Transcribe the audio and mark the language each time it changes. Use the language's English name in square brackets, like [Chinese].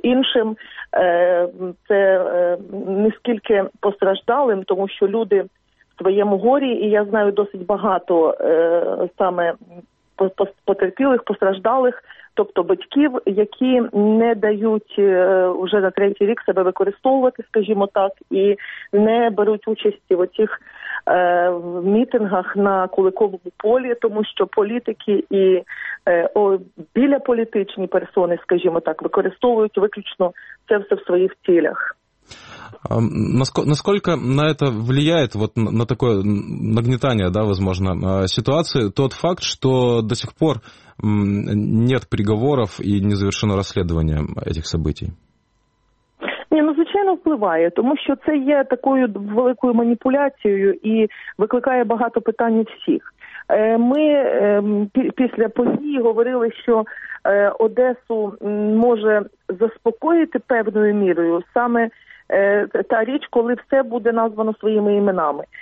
[Ukrainian] Іншим це не скільки постраждалим, тому що люди в своєму горі, і я знаю досить багато саме потерпілих, постраждалих, тобто батьків, які не дають вже на 3-й рік себе використовувати, скажімо так, і не беруть участі в оцих мітингах на Куликовому полі, тому що політики і біля політичні персони, скажімо так, використовують виключно це все в своїх цілях. [Russian] Насколько на это влияет, вот на такое нагнетание, да, возможно, ситуации, тот факт, что до сих пор нет приговоров и не завершено расследование этих событий? [Ukrainian] Ні, ну, звичайно, впливає, тому що це є такою великою маніпуляцією і викликає багато питань у всіх. Ми після події говорили, що Одесу може заспокоїти певною мірою саме та річ, коли все буде названо своїми іменами.